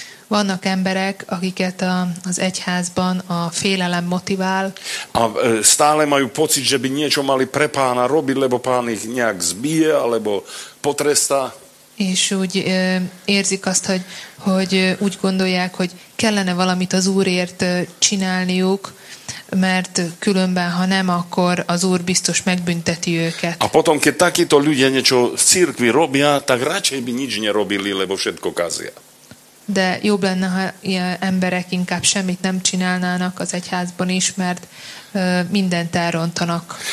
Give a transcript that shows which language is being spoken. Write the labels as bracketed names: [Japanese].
[Hungarian] Vannak emberek, akiket az egyházban a félelem motivál. [Slovak] A stále majú pocit, že by niečo mali pre pána robiť, lebo pán ich nejak zbije, alebo potresta. [Hungarian] és úgy érzik azt, hogy úgy gondolják, hogy kellene valamit az Úrért csinálniuk, mert különben, ha nem, akkor az Úr biztos megbünteti őket. [Slovak] A potom, keď takíto ľudia niečo v cirkvi robia, tak radšej by nič nerobili, lebo všetko kazia. [Hungarian] De jobb lenne, ha ilyen emberek inkább semmit nem csinálnának az egyházban is, mert mindent elrontanak.